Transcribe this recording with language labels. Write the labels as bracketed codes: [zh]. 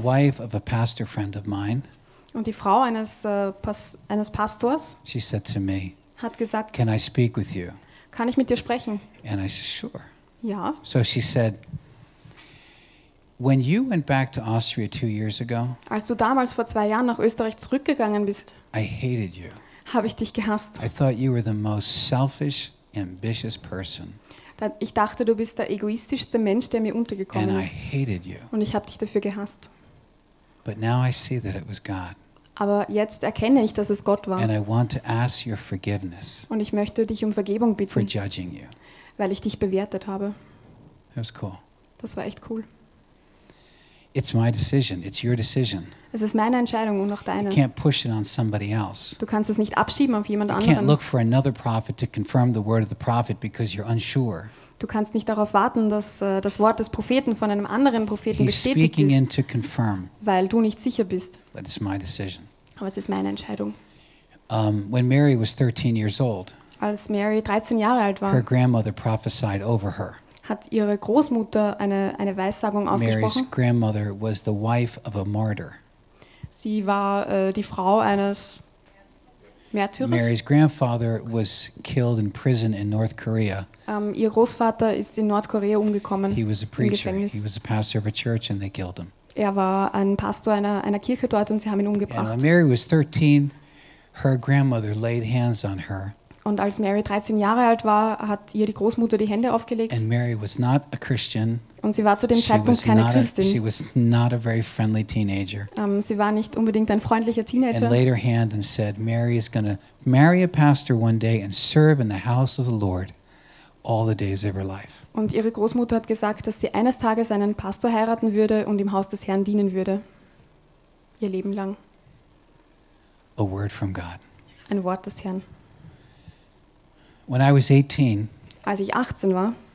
[en] The wife of a pastor friend of mine. [de] Und die Frau eines Pastors. [en] She said to me. [de] Hat gesagt. [en] Can I speak with you? [de] Kann ich mit dir sprechen? [en] And I said sure. [de] Ja. [en] So she said. When you went back to Austria 2 years ago. [de] Als du damals vor 2 Jahren nach Österreich zurückgegangen bist. [en] I hated you. [de] Habe ich dich gehasst. [en] I thought you were the most selfish, ambitious person. [de] Ich dachte, du bist der egoistischste Mensch, der mir untergekommen [en] and [de] ist. [en] I hated you. [de] Und ich habe dich dafür gehasst. [en] But now I see that it was God. [de] Aber jetzt erkenne ich, dass es Gott war. [en] And I want to ask your forgiveness. [de] Und ich möchte dich um Vergebung bitten. [en] For judging you. [de] Weil ich dich bewertet habe. [en] That was cool. [de] Das war echt cool. [en] It's my decision. It's your decision. [de] Es ist meine Entscheidung und auch deine. [en] You can't push it on somebody else. [de] Du kannst es nicht abschieben auf jemand anderen. [en] You can't look for another prophet to confirm the word of the prophet because you're unsure. [de] Du kannst nicht darauf warten, dass das Wort des Propheten von einem anderen Propheten [en] He's [de] bestätigt [en] speaking [de] ist, [en] in to confirm. [de] Weil du nicht sicher bist. [en] But it's my decision. [de] Aber es ist meine Entscheidung. [en] When Mary was 13 years old, [de] als Mary 13 Jahre alt war, [en] her grandmother prophesied over her. [de] Hat ihre Großmutter eine Weissagung ausgesprochen. [en] Mary's grandmother was the wife of a martyr. [de] Sie war die Frau eines [en] Märtyrers. Mary's grandfather was killed in prison in North Korea. [de] Ihr Großvater ist in Nordkorea umgekommen. [en] He was a preacher. He was a pastor of a church and they killed him. [de] Er war ein Pastor einer Kirche dort und sie haben ihn umgebracht. [en] And Mary was 13. Her grandmother laid hands on her. [de] Und als Mary 13 Jahre alt war, hat ihr die Großmutter die Hände aufgelegt. [en] And Mary was not a Christian. [de] Und sie war zu dem Zeitpunkt keine Christin. [en] She was not a very friendly teenager. [de] Sie war nicht unbedingt ein freundlicher Teenager. [en] And laid her hand and said, Mary is going to marry a pastor one day and serve in the house of the Lord all the days of her life. [de] Und ihre Großmutter hat gesagt, dass sie eines Tages einen Pastor heiraten würde und im Haus des Herrn dienen würde. Ihr Leben lang. [en] A word from God. [de] Ein Wort des Herrn. [en] When I was 18, [de] als ich 18 war,